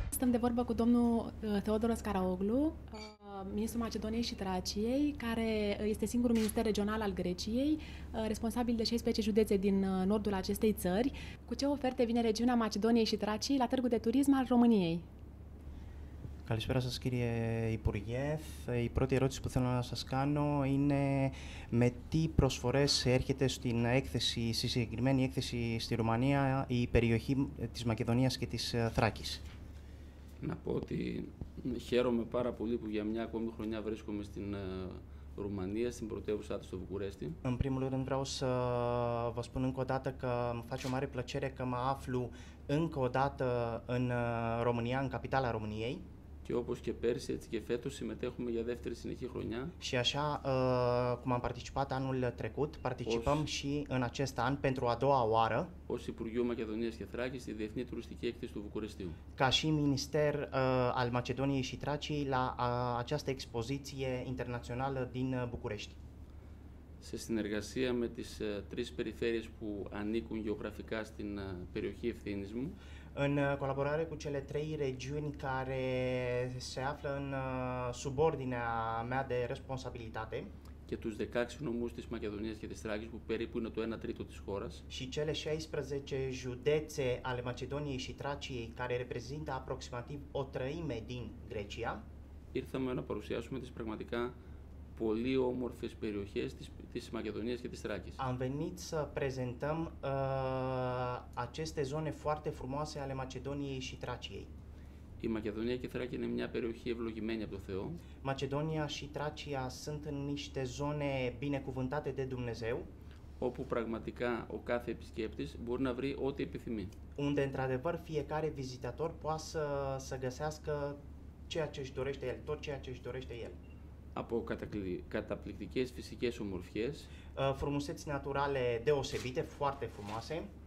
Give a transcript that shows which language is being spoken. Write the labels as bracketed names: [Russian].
[Romanian] de vorbă cu domnul Teodoros Karaoglu, ministrul Macedoniei și Traciei, care este singurul minister regional al Greciei, responsabil de 16 județe din nordul acestei țări. Cu ce oferte vine regiunea Macedoniei și Traciei la Târgul de Turism al României? [Greek] Καλησπέρα σας κύριε Υπουργέ. Η πρώτη ερώτηση που θέλω να σας κάνω είναι με τι προσφορές έρχεται στην έκθεση, στη συγκεκριμένη έκθεση στη Ρουμανία, η περιοχή της Μακεδονίας και της Θράκης. Να πω ότι χαίρομαι πάρα πολύ που για μια ακόμη χρονιά βρίσκομαι στην Ρουμανία, στην πρωτεύουσά της στο Βουκουρέστι. [Romanian] În primul rând vreau să vă spun încă o dată că îmi face o mare plăcere că mă aflu încă o dată în România, în capitala României. [Greek] Και όπως και πέρσι, έτσι και φέτος, συμμετέχουμε για δεύτερη συνεχή χρονιά. [Romanian] Și așa cum am participat anul trecut, participăm și în acest an pentru a doua oară. [Greek] Ως Υπουργείο Μακεδονίας και Θράκης στη Διεθνή Τουριστική Έκθεση του Βουκουρεστίου. [Romanian] Ca și minister al Macedoniei și Traciei la această expoziție internațională din București. [Greek] Σε συνεργασία με τις τρεις περιφέρειες που ανήκουν γεωγραφικά στην περιοχή ευθύνης μου. [Romanian] În colaborare cu cele trei regiuni care se află în subordinea mea de responsabilitate. [Greek] Και τους 16 νομούς της Μακεδονίας και της Θράκης που περίπου είναι το 1 τρίτο της χώρας. [Romanian] Și cele 16 județe ale Macedoniei și Traciei care reprezintă aproximativ o treime din Grecia. [Greek] Ήρθαμε να παρουσιάσουμε τις πραγματικά πολύ όμορφες περιοχές της Μακεδονίας και της Θράκης. [Romanian] Am venit să prezentăm aceste zone foarte frumoase ale Macedoniei și Traciei. [Greek] Η Μακεδονία και η Θράκη είναι μια περιοχή ευλογημένη από το Θεό. [Romanian] Macedonia și Tracia sunt niște zone binecuvântate de Dumnezeu. [Greek] Όπου πραγματικά ο κάθε επισκέπτης μπορεί να βρει ό,τι επιθυμεί. [Romanian] Unde într-adevăr fiecare vizitator poate să găsească ceea ce își dorește el, tot ceea ce își dorește el. [Greek] Από καταπληκτικές φυσικές ομορφιές. [Romanian] Frumuseți naturale deosebite, foarte frumoase.